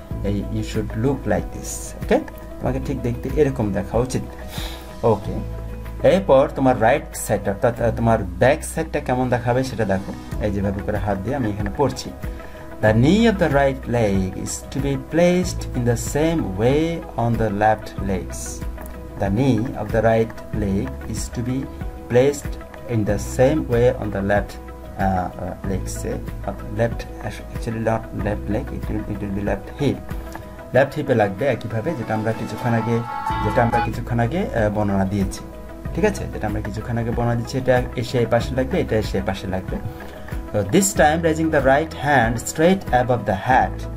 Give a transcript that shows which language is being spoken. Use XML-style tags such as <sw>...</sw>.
<bn>এই you should look like this ওকে তোমাকে ঠিক দেখতে এরকম দেখা উচিত ওকে এরপর তোমার রাইট সাইড অর্থাৎ তোমার ব্যাক সাইডটা কেমন দেখাবে সেটা দেখো এই যেভাবে করে হাত দিয়ে আমি এখানে পড়ছি</bn> <en>The knee of the right leg is to be placed in the same way on the left legs. The knee of the right leg is to be placed in the same way on the left legs. Left, actually not left leg, it will be left hip.</en> <bn>Left hip লাগবে একইভাবে যেটা আমরা কিছুক্ষণ আগে বর্ণনা দিয়েছি ঠিক আছে যেটা আমরা কিছুক্ষণ আগে বর্ণনা দিচ্ছি এটা এসে এই পাশে লাগবে এটা এসে এই পাশে লাগবে</bn> <en>So this time raising the right hand straight above the hat.</en>